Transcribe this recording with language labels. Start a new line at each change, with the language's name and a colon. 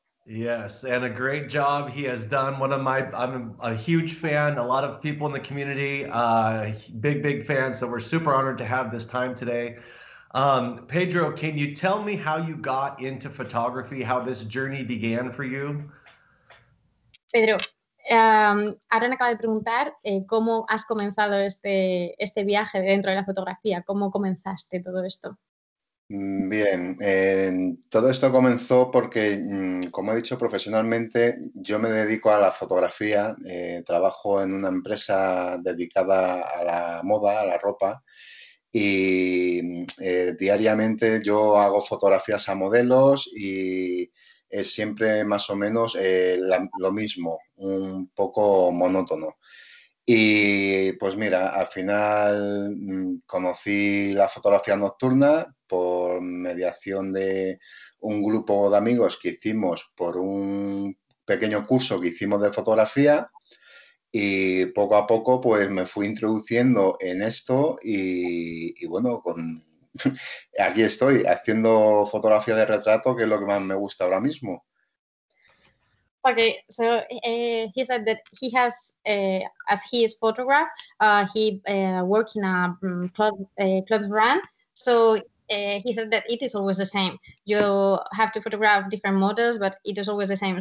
English: Yes, and a great job he has done. I'm a huge fan, a lot of people in the community, big fans. So we're super honored to have this time today. Pedro, can you tell me how you got into photography, how this journey began for you?
Spanish: Pedro, Aaron acaba de preguntar cómo has comenzado este viaje dentro de la fotografía, cómo comenzaste todo esto. Bien, todo esto comenzó porque, como he dicho profesionalmente, yo me dedico a la fotografía, trabajo en una empresa dedicada a la moda, a la ropa, y diariamente yo hago fotografías a modelos y es siempre más o menos lo mismo, un poco monótono. Y pues mira, al final conocí la fotografía nocturna por mediación de un grupo de amigos que hicimos por un pequeño curso que hicimos de fotografía. Y poco a poco, pues, me fui introduciendo en esto y bueno, aquí estoy, haciendo fotografía de retrato, que es lo que más me gusta ahora mismo.
English: Okay, so he said that he has, as he is photograph, he works in a clothes brand, so he said that it is always the same. You have to photograph different models, but it is always the same.